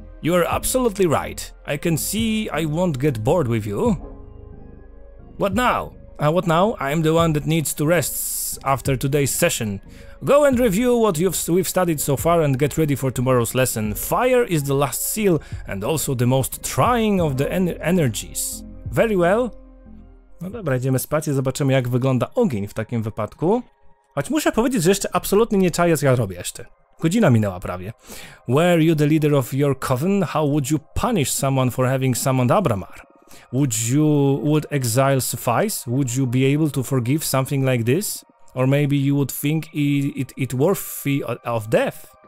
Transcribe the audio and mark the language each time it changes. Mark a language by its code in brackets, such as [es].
[en] You are absolutely right. I can see I won't get bored with you. What now? I'm the one that needs to rest after today's session. Go and review what we've studied so far and get ready for tomorrow's lesson. Fire is the last seal and also the most trying of the energies. Very well. [pl] No dobra, idziemy spać i zobaczymy, jak wygląda ogień w takim wypadku. Choć muszę powiedzieć, że jeszcze absolutnie nie czaję, co ja robię jeszcze. Godzina minęła prawie. [en] Were you the leader of your coven, how would you punish someone for having summoned Abramar? Would exile suffice? Would you be able to forgive something like this? Or maybe you would think it worthy of death?